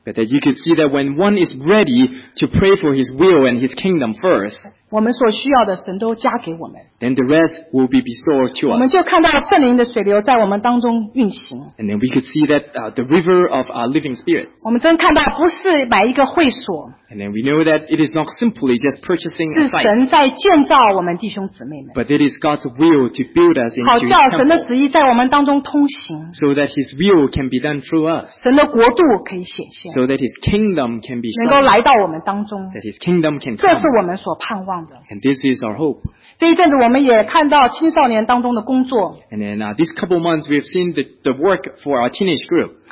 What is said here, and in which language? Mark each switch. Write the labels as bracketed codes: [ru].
[en] But that you could see that when one is ready to pray for his will and his kingdom first, [zh] 我们所需要的神都加给我们。 [en] Then the rest will be restored to us. [zh] 我们就看到圣灵的水流在我们当中运行。 [en] And then we could see that the river of our living spirit. [zh] 我们真看到不是买一个会所。 [en] And then we know that it is not simply just purchasing a site. [zh] 是神在建造我们弟兄姊妹们。 [en] But it is God's will to build us into his temple. [zh] 好叫神的旨意在我们当中通行。 [en] So that his will can be done through us. [zh] 神的国度可以显现。 [en] So that his kingdom can be shown. [zh] 能够来到我们当中。 [en] That his kingdom can come. [zh] 这是我们所盼望的。 [en] And this is our hope. [zh] 这一阵子我们也看到青少年当中的工作。 [en] And then this couple months we've seen the work for our teenage group.